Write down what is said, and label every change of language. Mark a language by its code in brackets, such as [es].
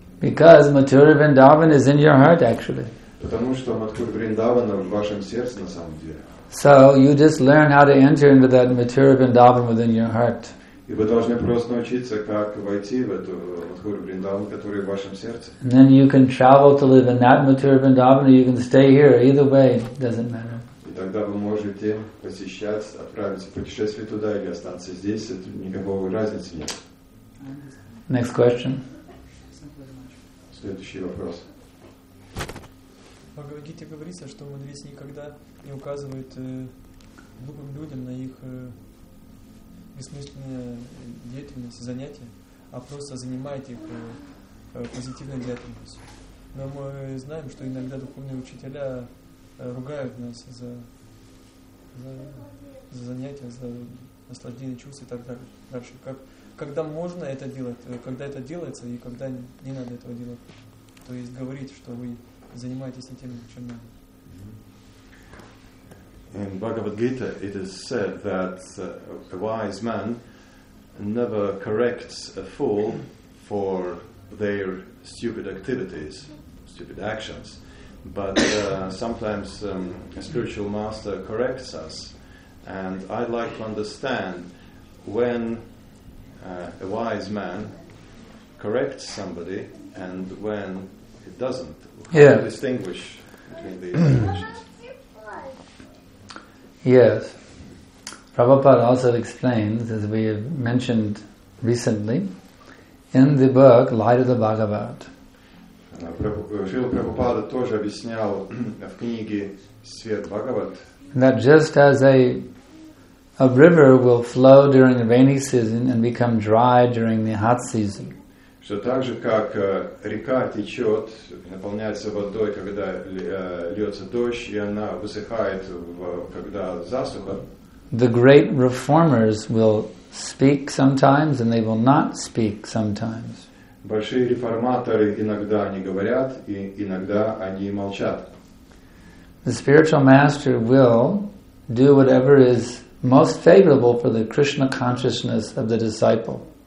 [en] Because Mathura Vrindavan is in your heart, actually. [ru] Потому что Мадхура Вриндавана в вашем сердце на самом деле. [en] So you just learn how to enter into that Mathura Vrindavan within your heart. [ru] И вы должны просто научиться, как войти в эту Мадхура Вриндаван, которая в вашем сердце. [en] And then you can travel to live in that Mathura Vrindavan, or you can stay here. Either way, doesn't matter. [ru] Тогда вы можете посещать, отправиться в путешествие туда или остаться здесь, это никакого разницы нет. [en] Next question. [ru] Следующий вопрос. В Бхагавад-гите говорится, что мудрец никогда не указывает глупым людям на их бессмысленную деятельность, занятия, а просто занимает их позитивной деятельностью. Но мы знаем, что иногда духовные учителя ругают нас за занятия, за наслаждение чувств и так дальше. Когда можно это делать, когда это делается и когда не надо этого делать? То есть говорить, что вы занимаетесь не тем, чем надо. [en] In Bhagavad Gita it is said that a wise man never corrects a fool for their stupid activities, stupid actions. But sometimes a spiritual master corrects us, and I'd like to understand when a wise man corrects somebody and when it doesn't. Yeah. How to distinguish between these situations? Yes. Prabhupada also explains, as we have mentioned recently, in the book Light of the Bhagavad. [ru] Шрила Прабхупада тоже объяснял в книге свет Бхагават. [en] That just as a river will flow during the rainy season and become dry during the hot season. [ru] Что так же, как река течет, наполняется водой, когда льется дождь, и она высыхает, когда засуха. [en] The great reformers will speak sometimes and they will not speak sometimes. [ru] Большие реформаторы иногда они говорят, и иногда они молчат. [en] The spiritual master will do whatever is most favorable for the Krishna consciousness of the disciple.